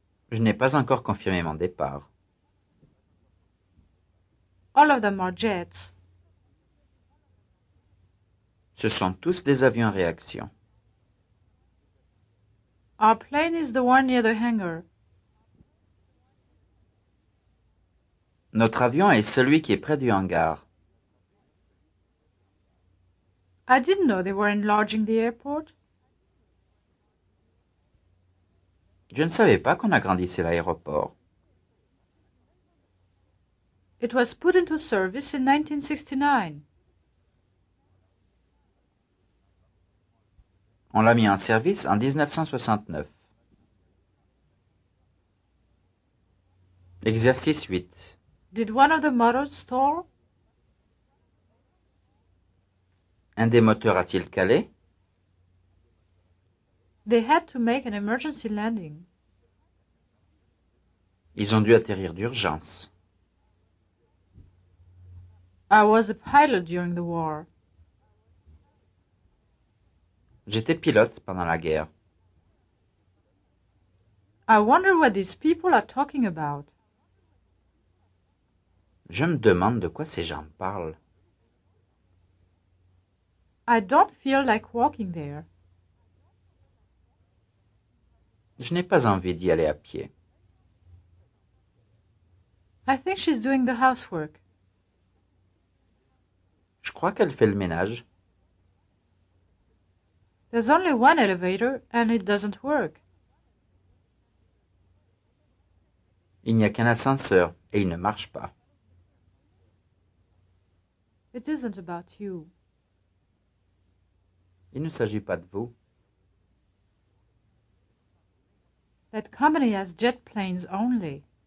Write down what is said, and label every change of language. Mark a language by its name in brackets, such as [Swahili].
[French] Je n'ai pas encore confirmé mon départ. [English] All of them are jets. [French] Ce sont tous des avions en réaction. [English] Our plane is the one near the hangar. [French] Notre avion est celui qui est près du hangar. [English] I didn't know they were enlarging the airport. [French] Je ne savais pas qu'on agrandissait l'aéroport. [English] It was put into service in 1969. [French] On l'a mis en service en 1969. Exercice 8. [English] Did one of the motors stall? [French] Un des moteurs a-t-il calé? [English] They had to make an emergency landing. [French] Ils ont dû atterrir d'urgence. [English] I was a pilot during the war. [French] J'étais pilote pendant la guerre. [English] I wonder what these people are talking about. [French] Je me demande de quoi ces gens parlent. [English] I don't feel like walking there. [French] Je n'ai pas envie d'y aller à pied. [English] I think she's doing the housework. [French] Je crois qu'elle fait le ménage. [English] There's only one elevator and it doesn't work. [French] Il n'y a qu'un ascenseur et il ne marche pas. [English] It isn't about you. [French] Il ne s'agit pas de vous. [English] That company has jet planes only.